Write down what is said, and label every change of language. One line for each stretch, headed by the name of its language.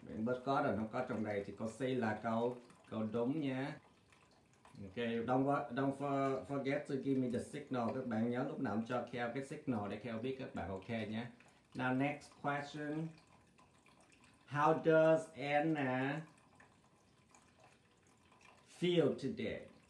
Vietnamese: Mình bớt garden không có trong đây thì có C là câu đúng nhé.
English: Okay, don't forget to give me the signal.
Vietnamese: Các bạn nhớ lúc nào cho Kheo cái signal để Kheo biết các bạn ok nhé.
English: Now next question. How does Anna feel today?